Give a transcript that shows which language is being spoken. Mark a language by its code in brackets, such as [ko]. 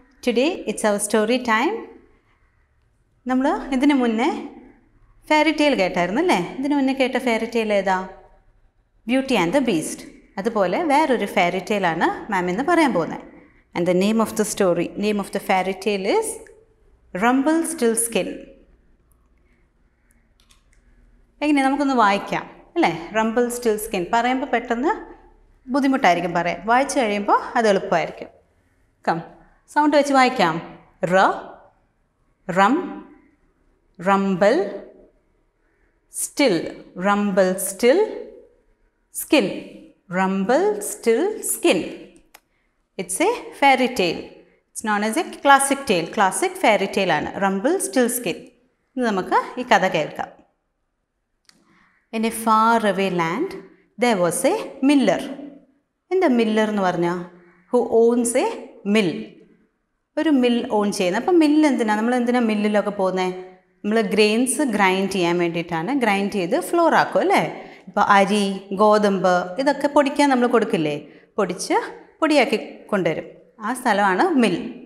[en] Today it's our story time. [ml] നമ്മള് ഇതിനു മുന്നേ ഫെയറി ടെയിൽ കേട്ടായിരുന്നു അല്ലേ? ഇതിനു മുന്നേ കേട്ട ഫെയറി ടെയിൽ ഏതാ? Beauty and the beast. അതുപോലെ വേറൊരു ഫെയറി ടെയിലാണ് മാം ഇന്ന് പറയാൻ പോകുന്നത്. [en] And the name of the story, name of the fairy tale is Rumpelstiltskin. [ml] എങ്ങനെയാ, നമുക്കൊന്ന് വായിക്കാം അല്ലേ? റംബിൾ സ്റ്റിൽ സ്കിൻ പറയുമ്പോൾ പെട്ടെന്ന് ബുദ്ധിമുട്ടായിരിക്കും പറയാൻ, വായിച്ചു കഴിയുമ്പോൾ അത് എളുപ്പമായിരിക്കും. [en] Come, [ml] sound vechi vaikkam. [en] R, rum, rumble, still, rumble, still, skin, rumble, still, skin. It's a fairy tale. It's known as a classic tale, classic fairy tale aanu. Rumble, still, skin. [ml] Innu namukku ee kadha kelkam. [en] In a far away land, there was a miller. [ml] Enda miller nu parna? [en] Who owns a [ml] mill, ഒരു mill on ചെയ്യുന്നത്. അപ്പം mill എന്തിനാണ്, നമ്മൾ എന്തിനാണ് മില്ലിലൊക്കെ പോകുന്നത്? നമ്മൾ grains grind ചെയ്യാൻ വേണ്ടിയിട്ടാണ്. ഗ്രൈൻഡ് ചെയ്ത് ഫ്ലോർ ആക്കും അല്ലേ? ഇപ്പോൾ അരി, ഗോതമ്പ് ഇതൊക്കെ പൊടിക്കാൻ നമ്മൾ കൊടുക്കില്ലേ, പൊടിച്ച് പൊടിയാക്കി കൊണ്ടുവരും. ആ സ്ഥലമാണ് മിൽ.